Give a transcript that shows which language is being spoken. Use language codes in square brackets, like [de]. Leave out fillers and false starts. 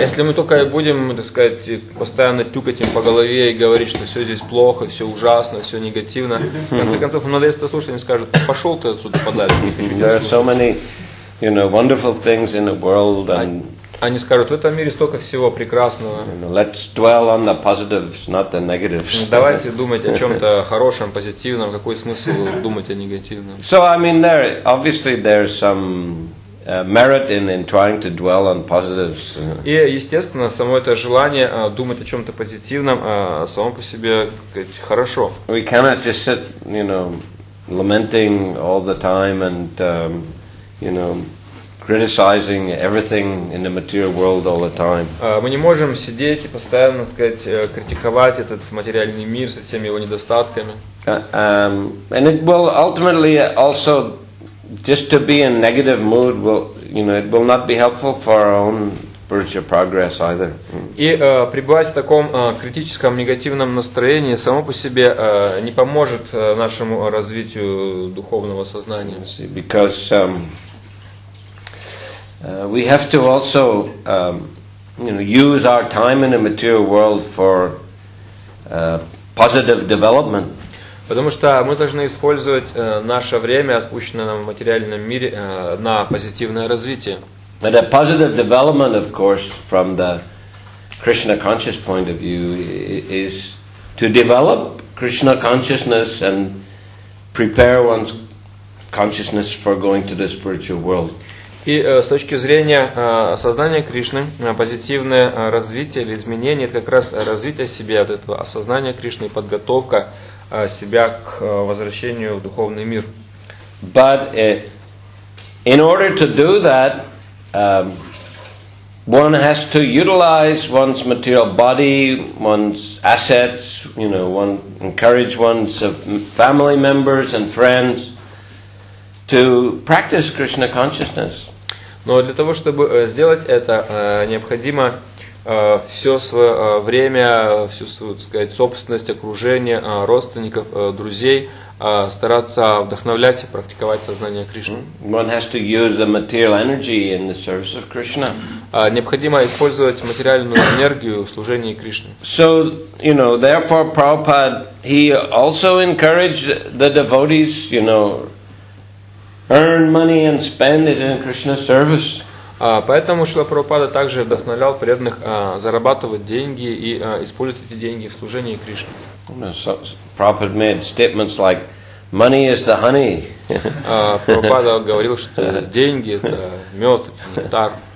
[ru] Если мы только будем, так сказать, постоянно тюкать им по голове и говорить, что все здесь плохо, все ужасно, все негативно, в конце концов, надо это слушать, они скажут: пошел ты отсюда подальше. [en] There are so many, you know, wonderful things in the world, and [ru] они скажут: в этом мире столько всего прекрасного. [en] You know, let's dwell on the positives, not the negatives. [ru] Давайте думать о чем-то хорошем, позитивном. Какой смысл думать о негативном? [en] So, I mean, there obviously there's some merit in trying to dwell on positives. [ru] И естественно, само это желание думать о чем-то позитивном само по себе, сказать, хорошо. [en] We cannot just sit, you know, lamenting all the time and, you know, criticizing everything in the material world all the time. [ru] Мы не можем сидеть и постоянно, сказать, критиковать этот материальный мир со всеми его недостатками. [en] And it will ultimately also just to be in negative mood will, you know, it will not be helpful for our own spiritual progress either. [ru] И пребывать в таком критическом негативном настроении само по себе не поможет нашему развитию духовного сознания. [en] Because we have to also, use our time in the material world for positive development. [ru] Потому что мы должны использовать наше время, отпущенное нам в материальном мире, на позитивное развитие. [en] But a positive development, of course, from the Krishna conscious point of view, is to develop Krishna consciousness and prepare one's consciousness for going to the spiritual world. [ru] И с точки зрения осознания Кришны, позитивное развитие или изменение — это как раз развитие себя, вот этого осознания Кришны, подготовка себя к возвращению в духовный мир. [en] But in order to do that, one has to utilize one's material body, one's assets, you know, one encourage one's family members and friends to practice Krishna consciousness. [ru] Но для того, чтобы сделать это, необходимо все свое время, всю свою, так сказать, собственность, окружение, родственников, друзей стараться вдохновлять и практиковать сознание Кришны. [en] One has to use the material energy in the service of Krishna. [ru] Необходимо использовать материальную энергию в служении Кришне. [en] So, you know, therefore Prabhupada, he also encouraged the devotees, you know, earn money and spend it in Krishna's service. [ru] Поэтому Шрила Прабхупада также вдохновлял преданных зарабатывать деньги и использовать эти деньги в служении Кришне. [en] Prabhupada made statements like, money is the honey. [ru] Прабхупада говорил, что деньги — это мед, нектар.